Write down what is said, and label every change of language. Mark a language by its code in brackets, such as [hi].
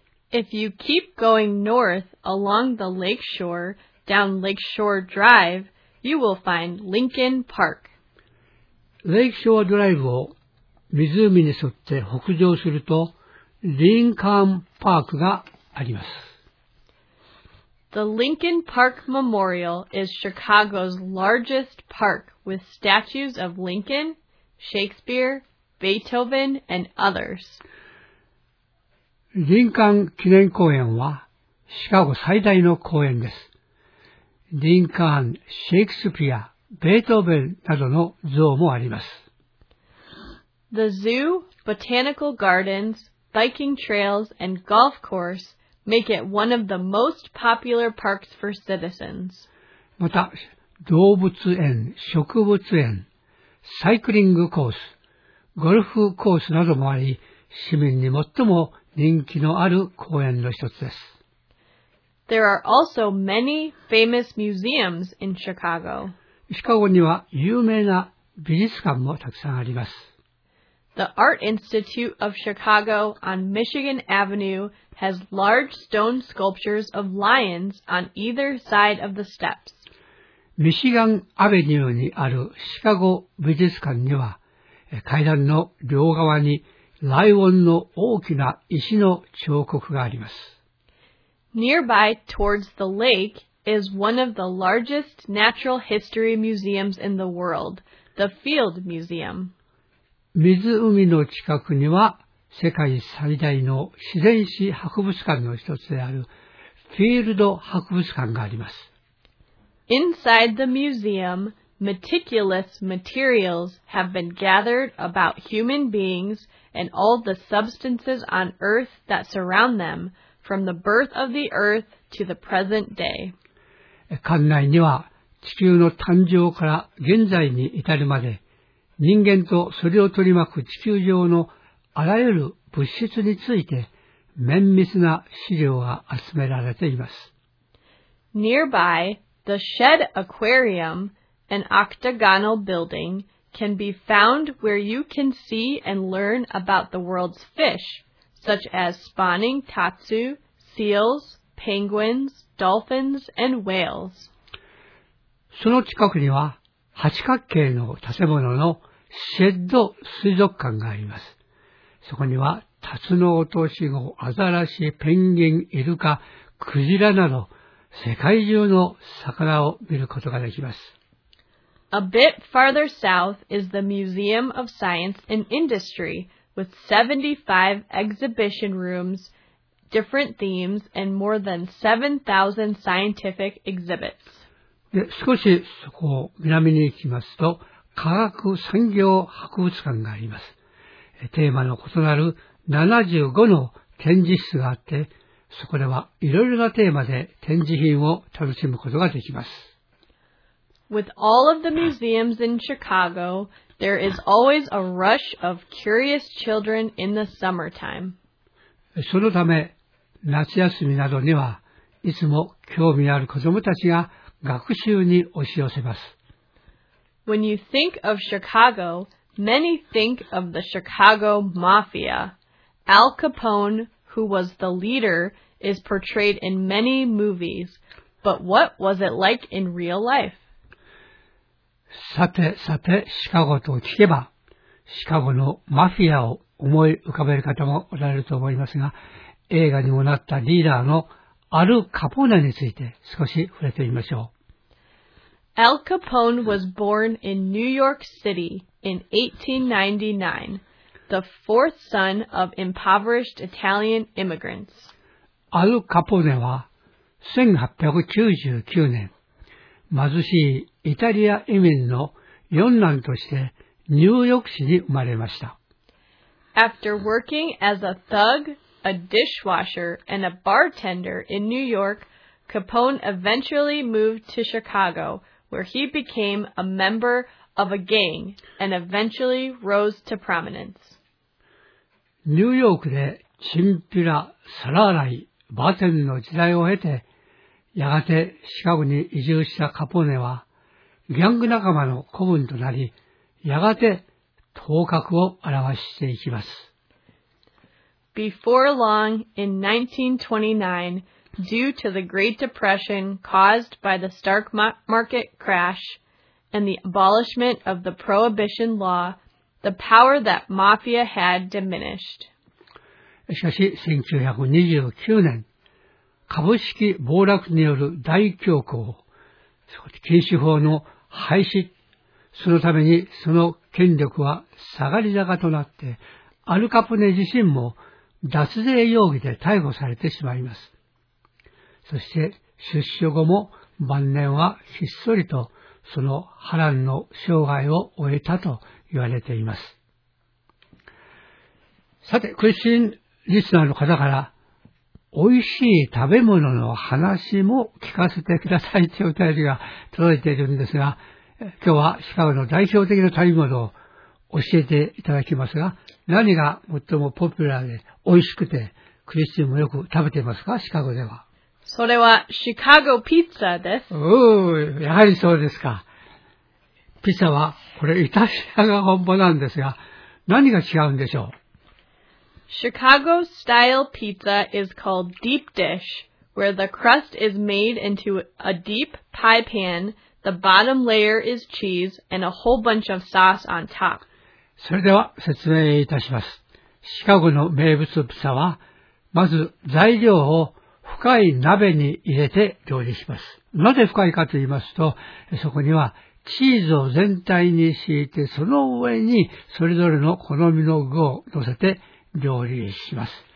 [en] If you keep going north along the lake shore, down Lake Shore Drive, you will find Lincoln Park. [ja] Lake Shore Drive を湖に沿って北上すると、リンカーンパークがあります。 [en] The Lincoln Park Memorial is Chicago's largest park with statues of Lincoln, Shakespeare, Beethoven, and others. [ja] リンカーン記念公園はシカゴ最大の公園です。リンカーン、シェイクスピア、ベートーベンなどの像もあります。 [en] The zoo, botanical gardens, biking trails, and golf course make it one of the most popular parks for citizens. [ja] また、動物園、植物園、サイクリングコース、ゴルフコースなどもあり、市民に最も人気のある公園の一つです。 [en] There are also many famous museums in Chicago. [ja] シカゴには有名な美術館もたくさんあります。 [en] The Art Institute of Chicago on Michigan Avenue has large stone sculptures of lions on either side of the steps. [ja] ミシガンアベニューにあるシカゴ美術館には、階段の両側にライオンの大きな石の彫刻があります。 [en] Nearby towards the lake is one of the largest natural history museums in the world, the Field Museum. [ja] 湖の近くには世界最大の自然史博物館の一つであるフィールド博物館があります。 [en] Inside the museum, meticulous materials have been gathered about human beings and all the substances on earth that surround them. From the birth of the earth to the present day. [ja] 館内には地球の誕生から現在に至るまで、人間とそれを取り巻く地球上のあらゆる物質について、綿密な資料が集められています。 [en] Nearby, the Shed Aquarium, an octagonal building, can be found where you can see and learn about the world's fish. such as spawning tatsu, seals, penguins, dolphins, and whales. [ja] その近くには、八角形の建物のシェッド水族館があります。そこには、タツノオトシゴ、アザラシ、ペンギン、イルカ、クジラなど、世界中の魚を見ることができます。 [en] A bit farther south is the Museum of Science and Industry,With 75 exhibition rooms, different themes, and more than 7,000 scientific exhibits. [ja] で、少しそこを南に行きますと、科学産業博物館があります。テーマの異なる75の展示室があって、そこではいろいろなテーマで展示品を楽しむことができます。 [en] With all of the museums in Chicago, there is always a rush of curious children in the summertime. [ja] そのため、夏休みなどには、いつも興味ある子どもたちが学習に押し寄せます。 [en] When you think of Chicago, many think of the Chicago Mafia. Al Capone, who was the leader, is portrayed in many movies. But what was it like in real life? [ja] さてさて、シカゴと聞けば、シカゴのマフィアを思い浮かべる方もおられると思いますが、映画にもなったリーダーのアル・カポーネについて少し触れてみましょう。 [en] Al Capone was born in New York City in 1899, the fourth son of impoverished Italian immigrants. [ja] アル・カポーネは1899年、貧しいイタリア移民の四男としてニューヨーク市に生まれました。 [en] After working as a thug, a dishwasher, and a bartender in New York, Capone eventually moved to Chicago, where he became a member of a gang and eventually rose to prominence. [ja] ニューヨークでチンピラ、皿洗い、バーテンの時代を経て、やがてシカゴに移住したカポネは、ギャング仲間の子分となり、やがて頭角を現していきます。 [en] Before long, in 1929, due to the Great Depression caused by the stock market crash and the abolishment of the Prohibition Law, the power that mafia had diminished. [ja] しかし、1929年、株式暴落による大恐慌、禁酒法の廃止、そのためにその権力は下がり坂となって、アルカポネ自身も脱税容疑で逮捕されてしまいます。そして出所後も晩年はひっそりとその波乱の生涯を終えたと言われています。さて、クリスチンリスナーの方から、美味しい食べ物の話も聞かせてくださいというお便りが届いているんですが、今日はシカゴの代表的な食べ物を教えていただきますが、何が最もポピュラーで美味しくてクリスチンもよく食べていますか、シカゴでは。それはシカゴピッツァです。やはりそうですか。ピッツァはこれイタリアが本場なんですが、何が違うんでしょう。 [en] Chicago style pizza is called deep dish, where the crust is made into a deep pie pan, the bottom layer is cheese, and a whole bunch of sauce on top. [ja] それでは説明いたします。シカゴの名物ピザは、まず材料を深い鍋に入れて料理します。なぜ深いかと言いますと、そこにはチーズを全体に敷いて、その上にそれぞれの好みの具を乗せて料理します。